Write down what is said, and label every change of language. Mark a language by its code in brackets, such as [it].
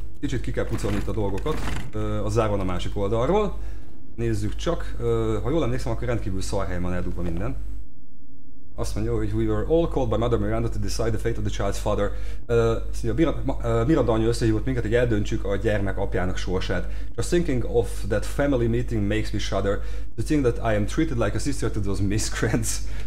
[hu] Kicsit ki kell pucolni itt a dolgokat. A zár van a másik oldalról. Nézzük csak. Ha jól emlékszem, akkor rendkívül szar helyen van eldugva minden. Azt mondja, hogy [en] we were all called by Mother Miranda to decide the fate of the child's father. [hu] Szia, Miranda anyja összehívott minket, hogy eldöntsük a gyermek apjának sorsát. [en] Just thinking of that family meeting makes me shudder. The thing that I am treated like a sister to those miscreants.